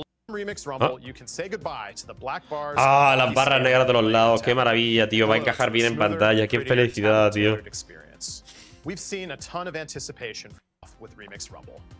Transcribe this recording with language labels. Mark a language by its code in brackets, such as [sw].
[en] Remix Rumble, you can say goodbye to the black bars. [es] Ah, las barras negras de los lados, qué maravilla, tío, va a encajar bien en pantalla, qué felicidad, tío. [en] We've seen a ton of anticipation with Remix Rumble.